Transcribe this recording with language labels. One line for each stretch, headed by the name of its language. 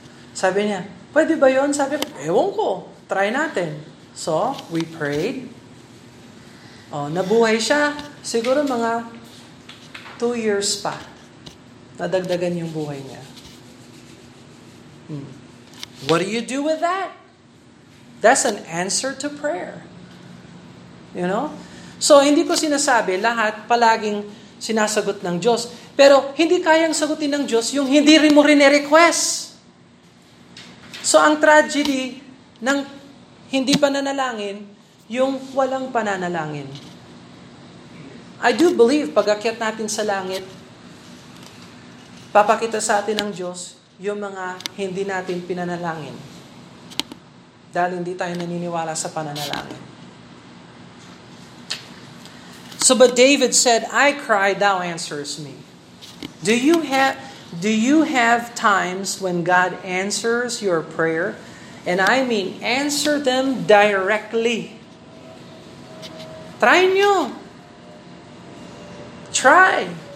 Filipino: Sabi niya, pwede ba yun? Sabi ko, ewan ko. Try natin. So, we prayed. Oh, nabuhay siya. Siguro mga 2 years pa. Nadagdagan yung buhay niya.
English: What do you do with that? That's an answer to prayer. You know?
Filipino: So, hindi ko sinasabi lahat palaging sinasagot ng Diyos. Pero hindi kayang sagutin ng Diyos yung hindi rin mo rinirequest. So, ang tragedy ng hindi pananalangin, yung walang pananalangin.
English: I do believe
Filipino: pag-akyat natin sa langit, papakita sa atin ng Diyos yung mga hindi natin pinanalangin. Dahil hindi tayo naniniwala sa pananalangin.
English: So, but David said, I cry, thou answerest me. Do you have, Do you have times when God answers your prayer? And I mean, answer them directly.
Filipino: Try nyo.
English: Try.